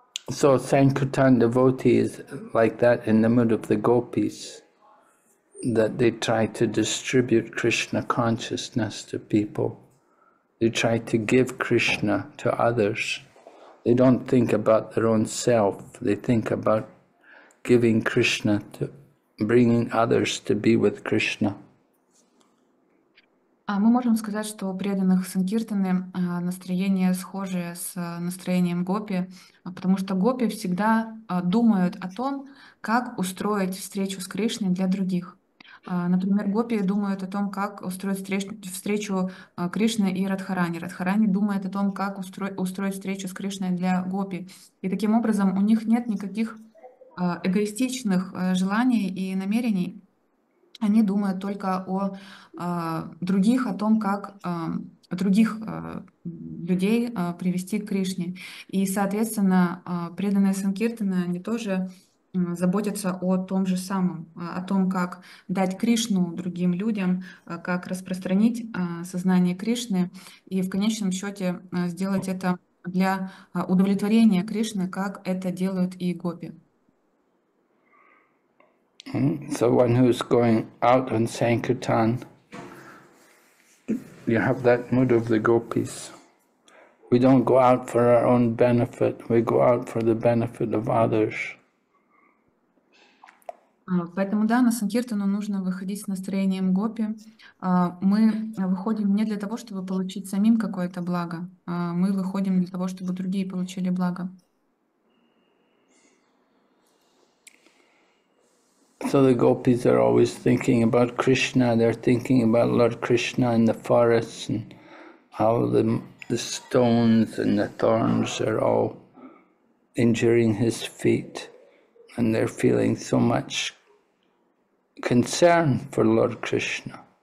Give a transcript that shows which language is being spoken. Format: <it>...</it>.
<en>So Sankirtan devotee is like that in the mood of the gopis, that they try to distribute Krishna consciousness to people. They try to give Krishna to others. They don't think about their own self. They think about giving Krishna, to bringing others to be with Krishna.</en> <ru>А мы можем сказать, что у преданных санкиртаны настроение схожее с настроением гопи, потому что гопи всегда думают о том, как устроить встречу с Кришной для других. Например, гопи думают о том, как устроить встречу Кришны и Радхарани. Радхарани думает о том, как устроить встречу с Кришной для гопи. И таким образом у них нет никаких эгоистичных желаний и намерений. Они думают только о других, о том, как других людей привести к Кришне. И, соответственно, преданные Санкиртаны, они тоже заботятся о том же самом, о том, как дать Кришну другим людям, как распространить сознание Кришны и в конечном счете сделать это для удовлетворения Кришны, как это делают и гопи.</ru> <en>So one who's going out on Sankirtan, you have that mood of the gopis. We don't go out for our own benefit, we go out for the benefit of others.</en> <ru>Поэтому да, на Санкиртану нужно выходить с настроением гопи. Мы выходим не для того, чтобы получить самим какое-то благо, мы выходим для того, чтобы другие получили благо.</ru> <en>So the gopis are always thinking about Krishna, they're thinking about Lord Krishna in the forests and how the stones and the thorns are all injuring his feet, and they're feeling so much concern for Lord Krishna.</en>